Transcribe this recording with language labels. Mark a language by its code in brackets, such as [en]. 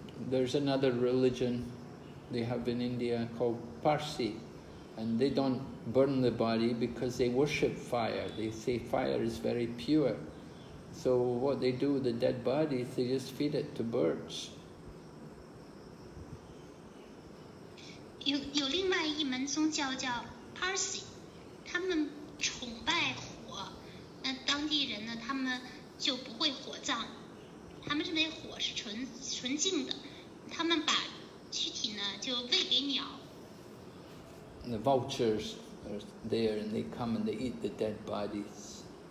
[en] There's another religion they have in India called Parsi, and they don't burn the body because they worship fire. They say fire is very pure. So what they do with the dead bodies, they just feed it to birds. [zh] 有另外一门宗教叫 Parsi, 他们崇拜火，那当地人呢，他们就不会火葬，他们认为火是纯净的。 [en] And the vultures are there and they come and they eat the dead bodies.